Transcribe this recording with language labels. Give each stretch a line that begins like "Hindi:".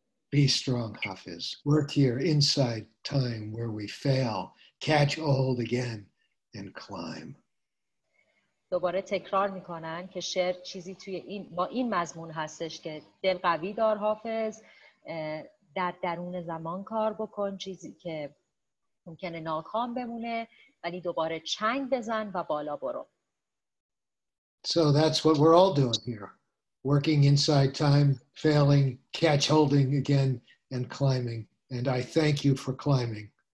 English: Be strong Hafiz, work here inside time where we fail, catch hold again and climb.
Persian: دوباره تکرار میکنن که شعر چیزی توی این با این مضمون هستش که دل قوی دار حافظ در درون زمان کار بکن چیزی که ممکنه ناکام بمونه ولی دوباره چنگ بزن و بالا برو.
English: So that's what we're all doing here. Working inside time, failing, catch holding again and climbing. And I thank you for climbing.